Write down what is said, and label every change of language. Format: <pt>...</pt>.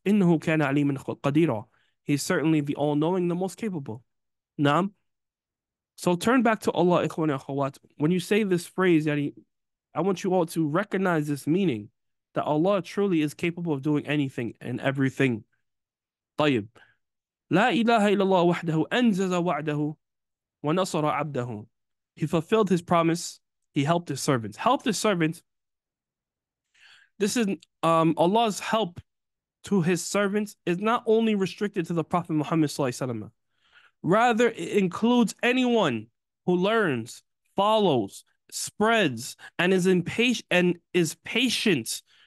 <ar>إِنَّهُ كَانَ عَلِيمًا قَدِيرًا.</ar> <en>He's certainly the all-knowing, the most capable. Now, so turn back to Allah,</en> <ar>إِخْوَانِ أَخَوَاتِ.</ar> <en>When you say this phrase, yani, I want you all to recognize this meaning, that Allah truly is capable of doing anything and everything.</en> <ar>طيب. لا إله إلا الله وحده أنجز وعده ونصر عبده.</ar> <en>He fulfilled His promise. He helped His servants. Helped His servants. This is Allah's help to His servants is not only restricted to the Prophet Muhammad Sallallahu Alaihi Wasallam. Rather, it includes anyone who learns, follows, spreads, and is patient.</en>